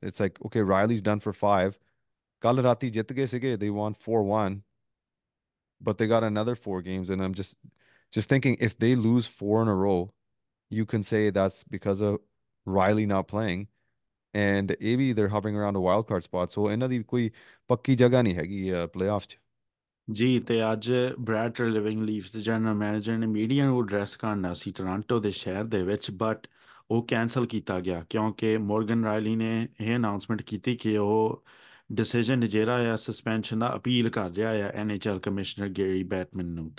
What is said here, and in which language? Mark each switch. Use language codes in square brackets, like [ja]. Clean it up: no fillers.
[en] It's like, okay, Riley's done for five. [pa] Kal raati jit gaye sige, [en] they won 4-1, but they got another 4 games. And I'm just thinking, if they lose 4 in a row, you can say that's because of Riley not playing. And AB, they're hovering around a wild card spot. [pa] So इन्हें भी कोई पक्की जगह नहीं हैगी playoffs च। ਜੀ ਤੇ ਅੱਜ ਬ੍ਰੈਡ ਲਿਵਿੰਗ ਲੀਫਸ ਦੇ ਜਨਰਲ ਮੈਨੇਜਰ ਨੇ ਮੀਡੀਆ ਨੂੰ ਐਡਰੈਸ ਕਰਨਾ ਸੀ ਟੋਰਾਂਟੋ ਦੇ ਸ਼ਹਿਰ ਦੇ ਵਿੱਚ, ਬਟ ਉਹ ਕੈਨਸਲ ਕੀਤਾ ਗਿਆ ਕਿਉਂਕਿ ਮੋਰਗਨ ਰਾਇਲੀ ਨੇ ਇਹ ਅਨਾਉਂਸਮੈਂਟ ਕੀਤੀ ਕਿ ਉਹ ਡਿਸੀਜਨ ਜਿਹੜਾ ਆ ਸਸਪੈਂਸ਼ਨ ਦਾ ਅਪੀਲ ਕਰ ਰਿਹਾ ਆ ਐਨਐਚਐਲ ਕਮਿਸ਼ਨਰ ਗੇਰੀ ਬੈਟਮਨ ਨੂੰ।